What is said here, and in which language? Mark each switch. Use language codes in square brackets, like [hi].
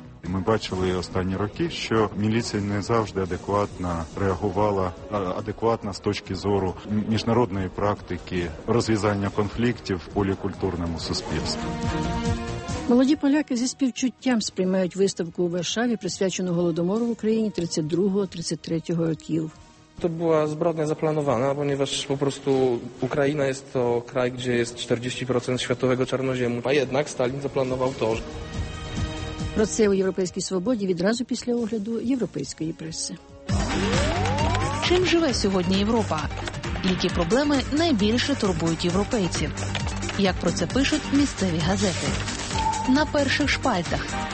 [uk] Ми бачили останні роки, що міліція не завжди адекватно реагувала, адекватно з точки зору міжнародної практики розв'язання конфліктів в полікультурному суспільстві. Молоді поляки зі співчуттям сприймають виставку у Варшаві, присвячену Голодомору в Україні 32-33 років. [pl] To była zbrodnia zaplanowana, ponieważ po prostu Ukraina jest to kraj, gdzie jest 40% światowego czarnoziemu, a jednak Stalin zaplanował to. [uk] Про це у Європейській Свободі відразу після огляду європейської преси. Чим живе сьогодні Європа? Які проблеми найбільше турбують європейців? Як про це пишуть місцеві газети? На перших шпальтах.